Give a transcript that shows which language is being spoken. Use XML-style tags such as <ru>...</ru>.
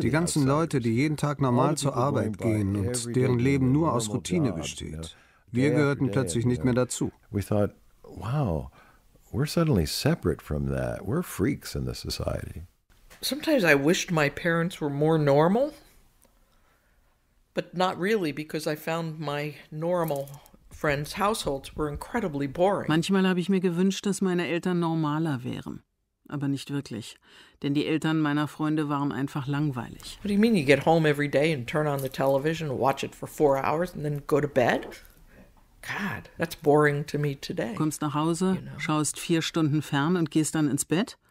<de>die ganzen</de> <en>outsiders.</en> <de>Leute, die jeden Tag normal zur Arbeit gehen und deren Leben nur aus Routine besteht. Wir gehörten plötzlich nicht mehr dazu.</de> <en>We thought, wow, we're suddenly separate from that. We're freaks in the society. Sometimes I wished my parents were more normal. But not really, because I found my normal friends' households were incredibly boring.</en> <de>Manchmal habe ich mir gewünscht, dass meine Eltern normaler wären. Aber nicht wirklich. Denn die Eltern meiner Freunde waren einfach langweilig.</de> <en>What do you mean you get home every day and turn on the television, watch it for 4 hours and then go to bed? God, that's boring to me today.</en> <de>Du kommst nach Hause,</de> <en>you know?</en> <de>Schaust 4 Stunden fern und gehst dann ins Bett?</de>